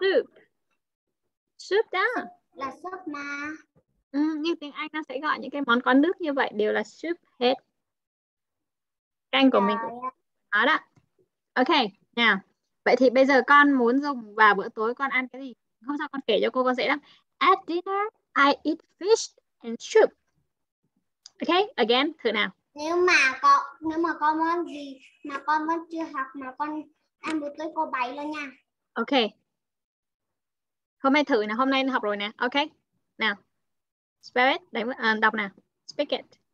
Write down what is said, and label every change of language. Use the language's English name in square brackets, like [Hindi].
[Vietnamese] Soup. Soup đó. Là soup mà. Ừ, như tiếng Anh nó sẽ gọi những cái món có nước như vậy đều là soup hết. Canh của mình cũng đó, đó. Ok, nào. Vậy thì bây giờ con muốn dùng vào bữa tối con ăn cái gì? Không sao, con kể cho cô, con dễ lắm. [English] At dinner, I eat fish and soup. Ok, again, [Vietnamese] thử nào. Nếu mà con món gì mà con vẫn chưa học mà con ăn bữa tối cô bày luôn nha. [English] Ok. [Vietnamese] Hôm nay thử nào, hôm nay học rồi nè. [English] Ok, nào. Spell it, [Vietnamese] đọc nào. [English] Speak it.